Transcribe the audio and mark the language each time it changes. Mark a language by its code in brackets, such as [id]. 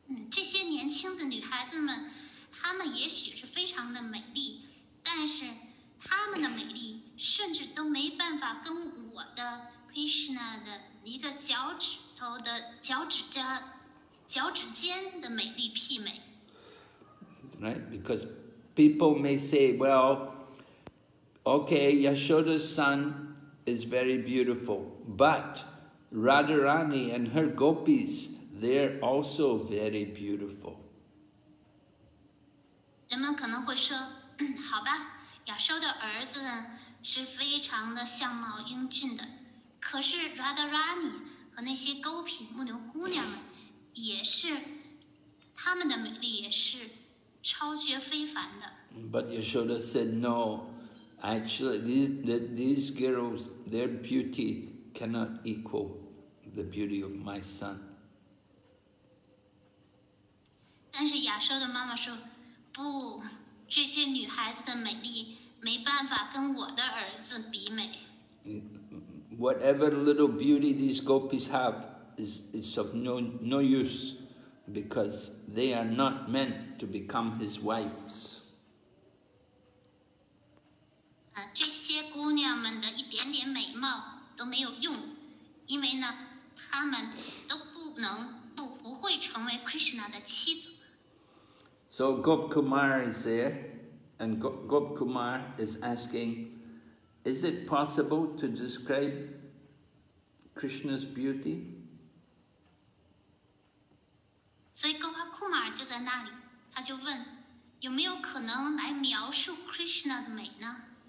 [zh] 这些年轻的女孩子们，她们也许是非常的美丽，但是她们的美丽甚至都没办法跟我的 Krishna 的一个脚趾头的脚趾尖的美丽媲美。 [en] Right, because people may say, well, okay, Yashoda's son is very beautiful, but Radharani and her gopis. They're also very beautiful. [zh] 人们可能会说，好吧，亚修的儿子是非常的相貌英俊的，可是 Radharani 和那些高品牧牛姑娘们也是，她们的美丽也是超绝非凡的。 [en] But Yashoda said no. Actually, these girls, their beauty cannot equal the beauty of my son. [zh] 但是亚修的妈妈说，不，这些女孩子的美丽没办法跟我的儿子比美。 [en] Whatever little beauty these gopis have is of no use because they are not meant to become his wives. [zh] 这些姑娘们的一点点美貌都没有用，因为呢，她们都不会成为 Krishna 的妻子。 [en] So Gop Kumar is there, and Gop Kumar is asking, is it possible to describe Krishna's beauty? So Gop Kumar is there, and he asks, is it possible to describe Krishna's